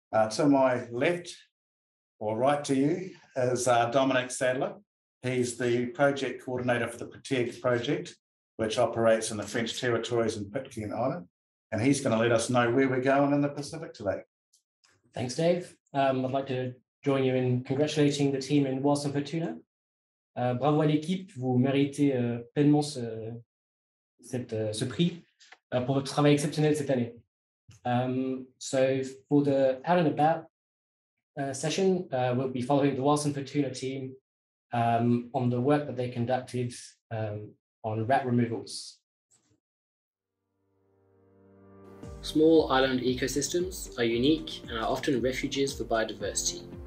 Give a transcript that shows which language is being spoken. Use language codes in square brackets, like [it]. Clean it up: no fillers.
[en] To my left or right to you is Dominic Sadler. He's the project coordinator for the Protect Project, which operates in the French territories in Pitcairn Island. And he's going to let us know where we're going in the Pacific today. Thanks, Dave. I'd like to join you in congratulating the team in Wallace and Fortuna. [fr] Bravo à l'équipe, vous méritez pleinement ce prix pour votre travail exceptionnel cette année. [en] So for the out and about session, we'll be following the Wallace and Fortuna team on the work that they conducted on rat removals. Small island ecosystems are unique and are often refuges for biodiversity.